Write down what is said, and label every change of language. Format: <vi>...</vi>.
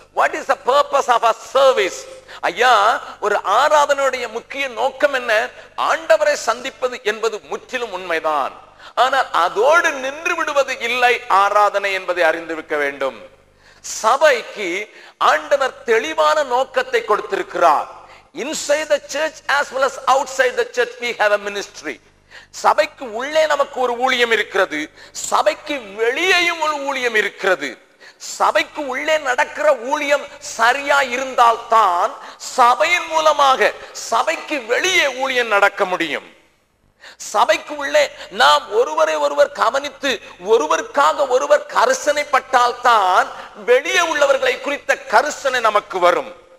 <en>What is the purpose of our service?</en> <ta>ஐயா, ஒரு ஆராதனையுடைய முக்கிய நோக்கம் என்ன? ஆண்டவரை சந்திப்பது என்பது முற்றிலும் உண்மைதான். ஆனால் அதோடு நின்று விடுவது இல்லை ஆராதனை என்பதை அறிந்திருக்க வேண்டும். சபைக்கு ஆண்டவர் தெளிவான நோக்கத்தை கொடுத்திருக்கிறார்.</ta> <en>Inside the church as well as outside the church we have a ministry.</en> <ta>சபைக்கு உள்ளே நமக்கு ஒரு ஊழியம் இருக்கிறது, சபைக்கு வெளியேயும் ஒரு ஊழியம் இருக்கிறது. சபைக்கு உள்ளே நடக்கிற ஊழியம் சரியா இருந்தால் தான் சபையின் மூலமாக சபைக்கு வெளியே ஊழியம் நடக்க முடியும். சபைக்கு உள்ளே நாம் ஒருவரை ஒருவர் கவனித்து ஒருவருக்காக ஒருவர் கரிசனைப்பட்டால் தான் வெளியே உள்ளவர்களை குறித்த கரிசனை நமக்கு வரும்.</ta>